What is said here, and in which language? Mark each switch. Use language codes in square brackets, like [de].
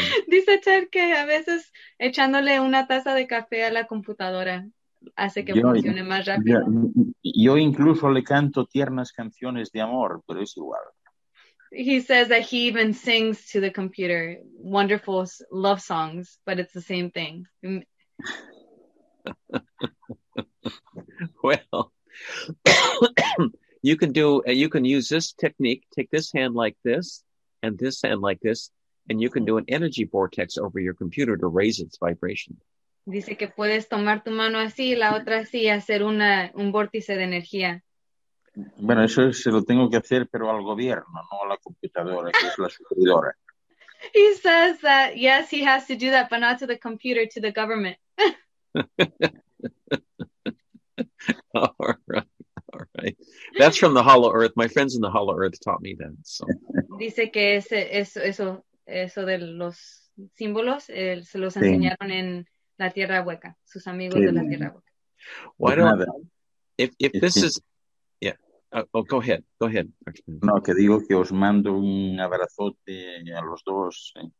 [es] Dice Ted que a veces echándole una taza de café a la computadora hace que funcione más rápido. Yo incluso le canto tiernas canciones de amor, pero es igual. [en] He says that he even sings to the computer wonderful love songs, but it's the same thing. Well, you can use this technique. Take this hand like this and this hand like this, and you can do an energy vortex over your computer to raise its vibration. [es] Dice que puedes tomar tu mano así y la otra así y hacer un vórtice de energía. Bueno, eso se lo tengo que hacer, pero al gobierno, no a la computadora, que es la servidora. [en] He says that, yes, he has to do that, but not to the computer, to the government. All right. That's from the Hollow Earth. My friends in the Hollow Earth taught me that. So. [es] Dice que eso de los símbolos se los enseñaron en la Tierra Hueca, sus amigos de la Tierra Hueca. [en] Why don't if this is... Yeah. Go ahead. [es] No, que digo que os mando un abrazote a los dos.